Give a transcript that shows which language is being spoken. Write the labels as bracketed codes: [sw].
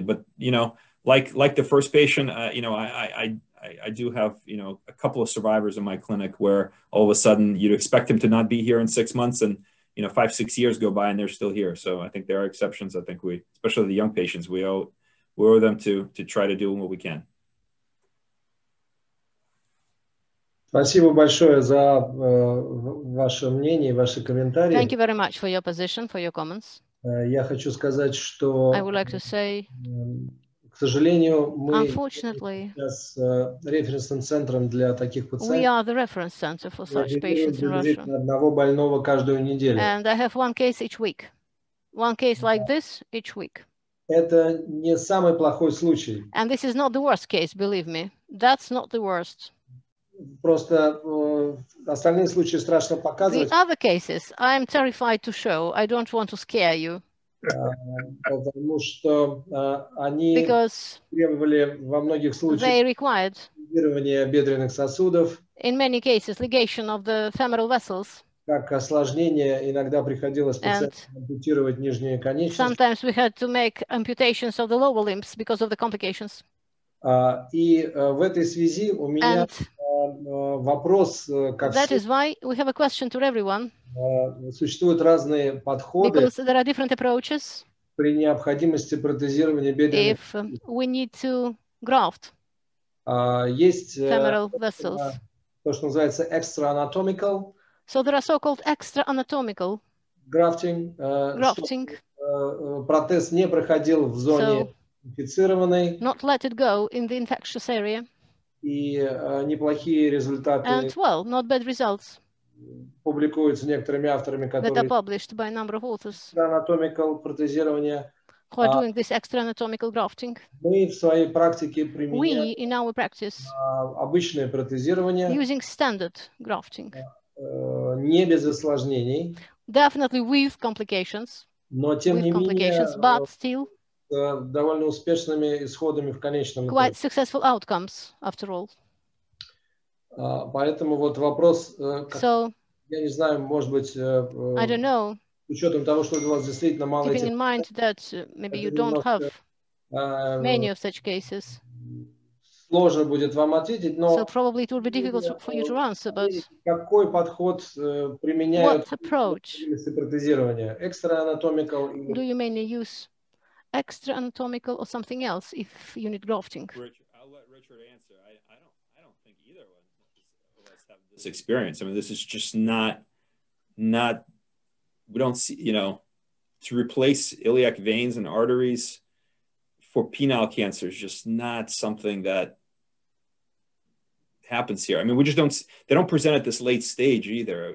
[en] But, you know, like the first patient, I do have, you know, a couple of survivors in my clinic where all of a sudden you'd expect them to not be here in 6 months, and, you know, 5-6 years go by and they're still here. So I think there are exceptions. I think we, especially the young patients, we owe them to try to do what we can. [ru] Спасибо большое за ваше мнение, ваши комментарии. [en] Thank you very much for your position, for your comments. [ru] Я хочу сказать, что, [en] I would like to say, [ru] к сожалению, мы [en] unfortunately, [ru] сейчас референсным центром для таких пациентов. [en] We are the reference center for such patients in Russia. [ru] Одного больного каждую неделю. [en] And I have one case each week. One case like this each week. [ru] Это не самый плохой случай. [en] And this is not the worst case, believe me. That's not the worst. [ru] Просто остальные случаи страшно показывать. [en] The other cases, I am terrified to show. I don't want to scare you. [ru] Потому что они требовали во многих случаях лигирования бедренных сосудов. [en] In many cases, ligation of the femoral vessels. [ru] Как осложнение иногда приходилось пациентам ампутировать нижние конечности. [en] Sometimes we had to make amputations of the lower limbs because of the complications. [ru] И в этой связи у меня вопрос, как [en] that is why we have a question to everyone. [ru] Существуют разные подходы. [en] Because there are different approaches. [ru] При необходимости протезирования бедренных. [en] If we need to graft. [ru] Есть [en] femoral vessels. [ru] То, что называется extra-anatomical. [en] So there are so-called extra-anatomical. Grafting. Grafting. [ru] Протез не проходил в зоне инфицированной. [en] Not let it go in the infectious area. [ru] И неплохие результаты. [en] And well, not bad results. [ru] Публикуются некоторыми авторами, которые. [en] That are published by a number of authors. [ru] Extra-anatomical протезирование. [en] Who are doing this extra-anatomical grafting? [ru] Мы в своей практике применяем. [en] We in our practice. [ru] Обычное протезирование. [en] Using standard grafting. [ru] Не без осложнений. [en] Definitely with complications. [ru] Но тем не менее. [en] But still. [ru] Довольно успешными исходами в конечном итоге. [en] Quite successful outcomes, after all. [ru] Поэтому вот вопрос, [en] so, [ru] я не знаю, может быть, [en] I don't know, [ru] с учетом того, что у вас действительно мало этих... [en] Keeping in mind that maybe you don't have many of such cases. [ru] сложно будет вам ответить, но [en] so probably it will be difficult for you to answer, but [ru] какой подход применяют при протезировании? Экстра-анатомикал? [en] Do you mainly use extra-anatomical or something else if you need grafting? Richard, I'll let Richard answer. I don't think either one of us have this experience. I mean, this is just not we don't see, you know, to replace iliac veins and arteries for penile cancer is just not something that happens here. I mean, we just don't, they don't present at this late stage either.